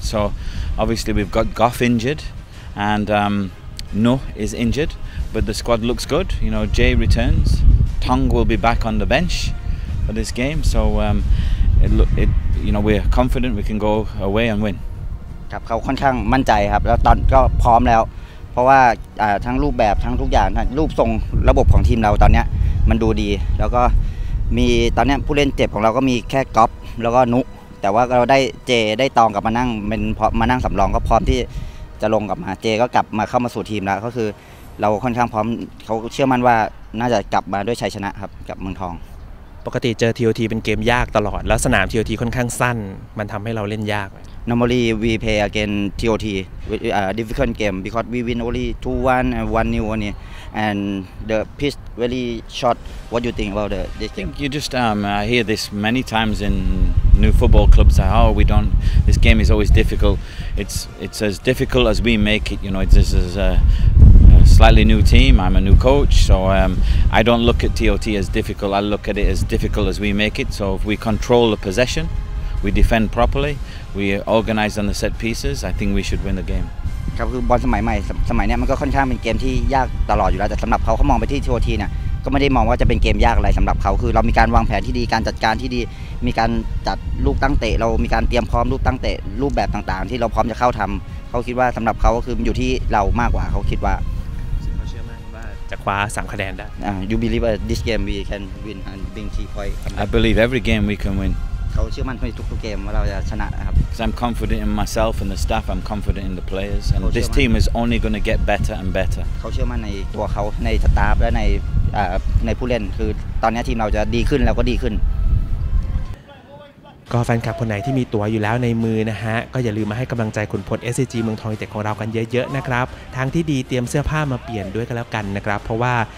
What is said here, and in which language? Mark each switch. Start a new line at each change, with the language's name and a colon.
English: So obviously we've got Goff injured and Noh is injured, but the squad looks good. You know, Jay returns. Tong will be back on the bench for this game. So you know, we're confident we can go away and win.
Thai: ครับเขาค่อนข้างมั่นใจครับแล้วตอนก็พร้อมแล้วเพราะว่าทั้งรูปแบบทั้งทุกอย่างรูปทรงระบบของทีมเราตอนนี้มันดูดีแล้วก็มีตอนนี้ผู้เล่นเจ็บของเราก็มีแค่ก๊อฟแล้วก็นุแต่ว่าเราได้เจได้ตองกลับมานั่งเป็นมานั่งสำรองก็พร้อมที่จะลงกลับมาเจก็กลับมาเข้ามาสู่ทีมแล้วก็คือเราค่อนข้างพร้อมเขาเชื่อมั่นว่าน่าจะกลับมาด้วยชัยชนะครับกับเมืองทอง ปกติเจอ TOT เป็นเกมยากตลอดแล้วสนาม TOT ค่อนข้างสั้นมันทำให้เราเล่นยาก
English: normally we play against TOT, a difficult game because we win only 2-1 and 1-0 only, and the pitch really short. What do you think about this game? You just I hear this many times in new football clubs. Oh, we don't. This game is always difficult. It's as difficult as we make it. You know, this is a slightly new team. I'm a new coach, so I don't look at TOT as difficult. I look at it as difficult as we make it. So if we control the possession, we defend properly, we organize on the set pieces, I think we should win the game.
Thai: ครับคือบอลสมัยใหม่สมัยนี้มันก็ค่อนข้างเป็นเกมที่ยากตลอดอยู่แล้วแต่สำหรับเขาเขามองไปที่ TOT เนี่ยก็ไม่ได้มองว่าจะเป็นเกมยากอะไรสำหรับเขาคือเรามีการวางแผนที่ดีการจัดการที่ดีมีการจัดลูกตั้งเตะเรามีการเตรียมพร้อมลูกตั้งเตะรูปแบบต่างๆที่เราพร้อมจะเข้าทำเขาคิดว่าสำหรับเขาก็คืออยู่ที่เรามากกว่าเขาคิดว่า เขาเชื่อมั่นว่าจะคว้า3คะแนนได้
English: You believe this game we can win and bring 3 points? I believe every game we can win.
Thai: เขาเชื่อมั่นในทุกๆเกมว่าเราจะชนะนะครับ
English: Because I'm confident in myself and the staff, I'm confident in the players, and this team is only going to get better and better.
Thai: เขาเชื่อมั่นในตัวเขาในสตาฟและในผู้เล่นคือตอนนี้ทีมเราจะดีขึ้นแล้วก็ดีขึ้น ก็แฟนคลับคนไหนที่มีตั๋วอยู่แล้วในมือนะฮะก็อย่าลืมมาให้กำลังใจขุนพล SCG เมืองทองยูไนเต็ดของเรากันเยอะๆนะครับทางที่ดีเตรียมเสื้อผ้ามาเปลี่ยนด้วยก็แล้วกันนะครับเพราะว่า